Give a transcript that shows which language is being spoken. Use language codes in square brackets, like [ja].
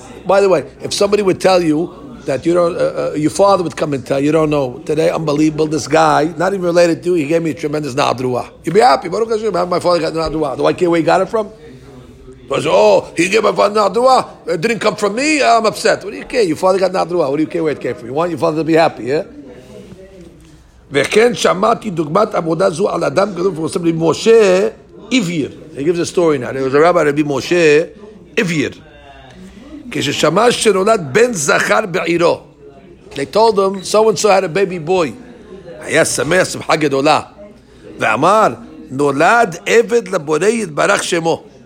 [en] By the way, if somebody would tell you that you don't, your father would come and tell you, don't know, today, unbelievable, this guy, not even related to you, he gave me a tremendous nachat ruach. You'd be happy. Baruch Hashem, my father got nachat ruach. Do I care where he got it from? Oh, he gave my father nachat ruach. It didn't come from me. I'm upset. What do you care? Your father got nachat ruach. What do you care where it came from? You want your father to be happy, yeah? [he] וכן שמעתי דוגמת עבודה זו על אדם גדול פורסם לי משה איביר. [en] He gives a story now. There was a rabbi, Rabbi Moshe איביר. [he] כששמע שנולד בן זכר בעירו. [en] They told him, so-and-so had a baby boy. [he] היה שמח, שמחה גדולה. ואמר, נולד עבד לבורא יתברך שמו.